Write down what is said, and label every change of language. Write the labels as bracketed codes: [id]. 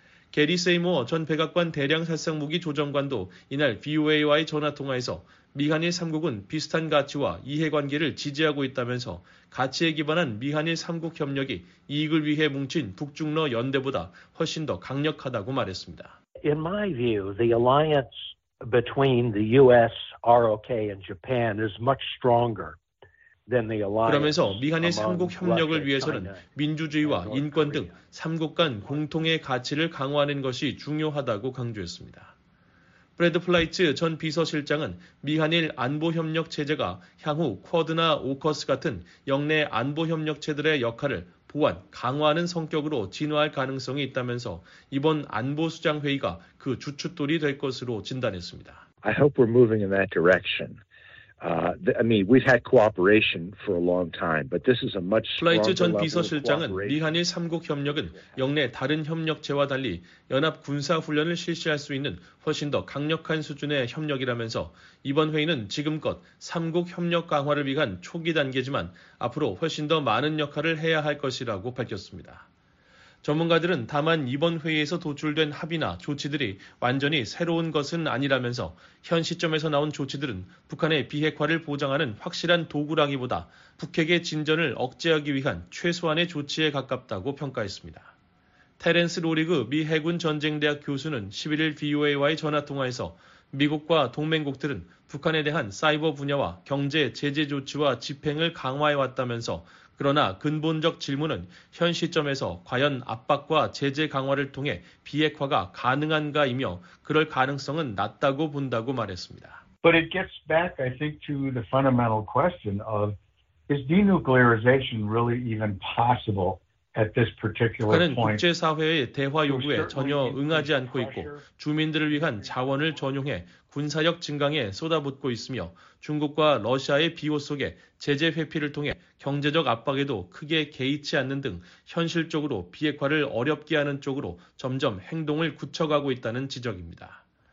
[ko] 게리 세이모어 전 백악관 대량살상무기 조정관도 이날 VOA와의 전화통화에서 미한일 3국은 비슷한 가치와 이해관계를 지지하고 있다면서 가치에 기반한 미한일 3국 협력이 이익을 위해 뭉친 북중러 연대보다 훨씬 더 강력하다고 말했습니다. [en] In my view, the alliance between the U.S., ROK, and Japan is much stronger. [ko] 그러면서 미한일 3국 협력을 위해서는 민주주의와 인권 등 3국 간 공통의 가치를 강화하는 것이 중요하다고 강조했습니다. 브래드 플라이츠 전 비서실장은 미한일 안보협력 체제가 향후 쿼드나 오커스 같은 역내 안보협력체들의 역할을 보완, 강화하는 성격으로 진화할 가능성이 있다면서 이번 안보수장회의가 그 주춧돌이 될 것으로 진단했습니다. [en] I hope we're moving in that direction. We've had cooperation for a long time, but this is a much stronger. [ko] 플라이츠 전 비서실장은 미한일 3국 협력은 역내 다른 협력체와 달리 연합 군사 훈련을 실시할 수 있는 훨씬 더 강력한 수준의 협력이라면서 이번 회의는 지금껏 3국 협력 강화를 위한 초기 단계지만 앞으로 훨씬 더 많은 역할을 해야 할 것이라고 밝혔습니다. 전문가들은 다만 이번 회의에서 도출된 합의나 조치들이 완전히 새로운 것은 아니라면서 현 시점에서 나온 조치들은 북한의 비핵화를 보장하는 확실한 도구라기보다 북핵의 진전을 억제하기 위한 최소한의 조치에 가깝다고 평가했습니다. 테렌스 로리그 미 해군 전쟁대학 교수는 11일 VOA와의 전화통화에서 미국과 동맹국들은 북한에 대한 사이버 분야와 경제 제재 조치와 집행을 강화해왔다면서 그러나 근본적 질문은 현 시점에서 과연 압박과 제재 강화를 통해 비핵화가 가능한가이며 그럴 가능성은 낮다고 본다고 말했습니다. [en] But it gets back, I think, to the fundamental question of is denuclearization really even possible? [ko] 북한은 국제사회의 대화 요구에 전혀 응하지 않고 있고 주민들을 위한 자원을 전용해 군사력 증강에 쏟아붓고 있으며 중국과 러시아의 비호 속에 제재 회피를 통해 경제적 압박에도 크게 개의치 않는 등 현실적으로 비핵화를 어렵게 하는 쪽으로 점점 행동을 굳혀가고 있다는 지적입니다.